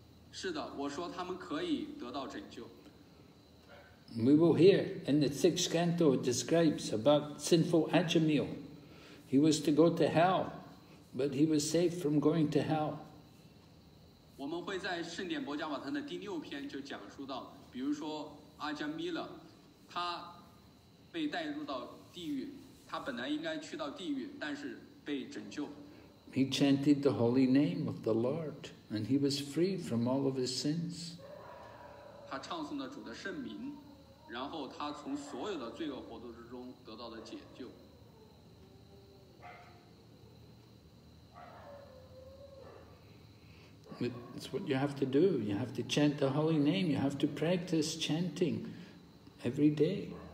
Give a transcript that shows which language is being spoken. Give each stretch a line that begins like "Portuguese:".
Chinese: 是的，我说他们可以得到拯救。
English: We will hear in the sixth canto it describes about sinful Achamil. He was to go to hell, but he was saved from going to hell.
Chinese: 我们会在圣典博迦瓦坛的第六篇就讲述到，比如说阿迦米勒，他被带入到地狱，他本来应该去到地狱，但是被拯救。
English: He chanted the holy name of the Lord, and he was free from all of his sins.
Chinese: 他唱诵了主的圣名，然后他从所有的罪恶活动之中得到了解救。
English: It's what you have to do. You have to chant the holy name. You have to practice chanting every day.